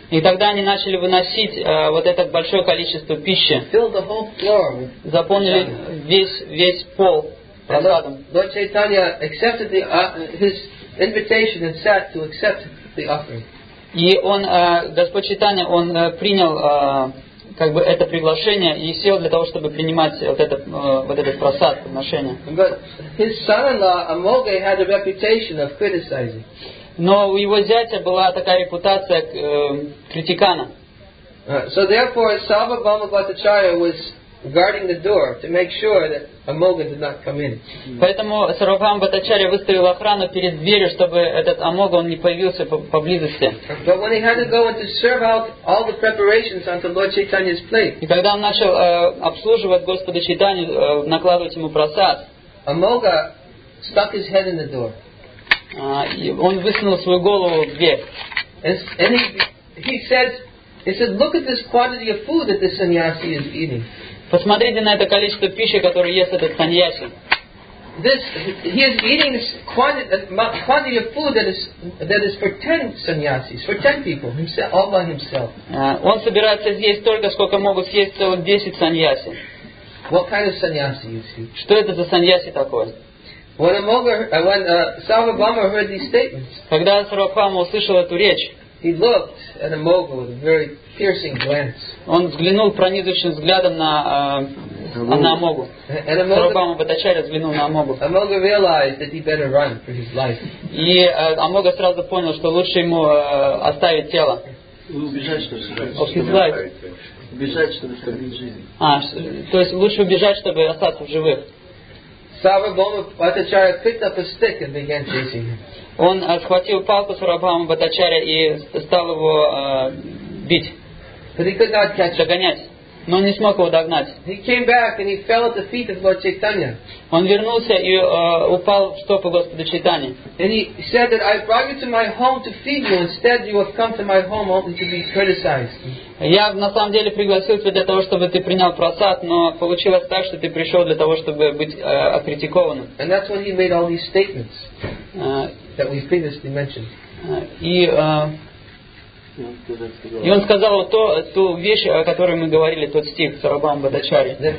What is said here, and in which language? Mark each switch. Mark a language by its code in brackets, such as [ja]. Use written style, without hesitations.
[ru] И тогда они начали выносить вот это большое количество пищи. [en] Filled the whole floor with prasadam. [ru] Заполнили весь пол прасадом. [en] Lord Chaitanya accepted his invitation and sat to accept the offering. [ru] И он, Господь Чайтанья, он принял как бы это приглашение и сел для того, чтобы принимать вот этот просад, подношение. [en] But his son-in-law Amoge had a reputation of criticizing. [ru] Но у его зятя была такая репутация критикана. [en] So therefore, Sava Bhama Bhattacharya was guarding the door to make sure that Amoga did not come in. [ru] Поэтому Сарвабхама Бхаттачарья выставил охрану перед дверью, чтобы этот Амога он не появился поблизости. [en] But when he had to go and to serve out all the preparations onto Lord Chaitanya's plate. [ru] И когда он начал обслуживать Господа Чайтанью, накладывать ему просад, [en] Амога stuck his head in the door. [ru] Он высунул свою голову в дверь. [en] And he said, look at this quantity of food that this sannyasi is eating. [ru] Посмотрите на это количество пищи, которое ест этот саньяси. [en] This he is eating this quantity of food that is for 10 sannyasis, for 10 people, himself, all by himself. [ru] Он собирается съесть столько, сколько могут съесть целых 10 саньяси. [en] What kind of sannyasi is he? [ru] Что это за саньяси такое? [en] When Sarvabhauma heard these statements, [ru] когда Сарвабхаума услышал эту речь, [en] he looked at Amoga with a very piercing glance. [ru] Он взглянул пронизывающим взглядом на Амогу. Сарвабхаума Бхаттачарья взглянул на Амогу. [en] Amoga realized that he better run for his life. [ru] И Амога сразу понял, что лучше ему оставить тело. Убежать, чтобы сохранить жизнь. То есть лучше убежать, чтобы остаться в живых. [en] Sarvabhauma Bhattacharya picked up a stick and began chasing him. [ru] Он схватил палку Сарвабхаумы Бхаттачарья и стал его бить. [en] But he could not catch [ru] догонять. Но он не смог его догнать. [en] He came back and he fell at the feet of Lord Chaitanya. [ru] Он вернулся и упал в стопы Господа Чайтаньи. [en] And he said that I brought you to my home to feed you, instead you have come to my home only to be criticized. [ru] Я на самом деле пригласил тебя для того, чтобы ты принял просад, но получилось так, что ты пришел для того, чтобы быть окритикованным. [en] And that's when he made all these statements that we previously mentioned. [ru] И он сказал то, ту вещь, о которой мы говорили, тот стих Сарвабхаума Бхаттачарья.